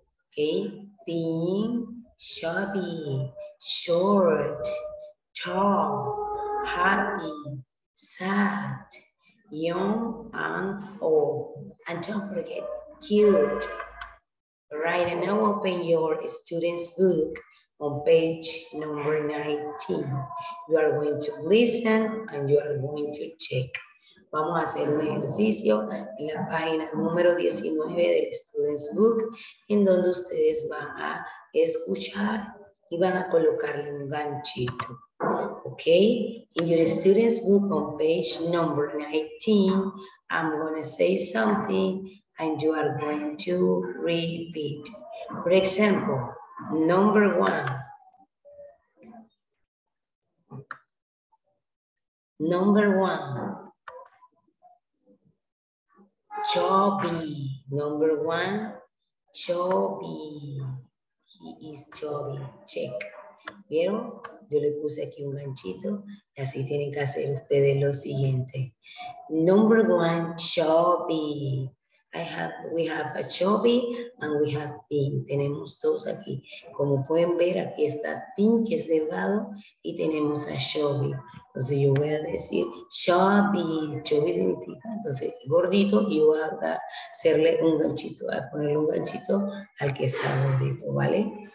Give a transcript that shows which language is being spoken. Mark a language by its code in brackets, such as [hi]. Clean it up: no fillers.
[en] Okay, thin, chubby, short, tall, happy, sad, young, and old. And don't forget, cute. Right, and now open your student's book on page number 19. You are going to listen and you are going to check. [es] Vamos a hacer un ejercicio en la página número 19 del student's book, en donde ustedes van a escuchar y van a colocarle un ganchito. [en] Okay, in your student's book on page number 19, I'm going to say something and you are going to repeat. For example, number one. Number one. Chubby. Number one. Chubby. He is chubby. Check. [es] ¿Vieron? Yo le puse aquí un ganchito. Y así tienen que hacer ustedes lo siguiente. [en] Number one. Chubby. We have a chubby and we have thin. [es] Tenemos dos aquí. Como pueden ver, aquí está thin, que es delgado, y tenemos a chubby. Entonces yo voy a decir chubby. Chubby significa, entonces, gordito, y voy a hacerle un ganchito, a ponerle un ganchito al que está gordito, ¿vale?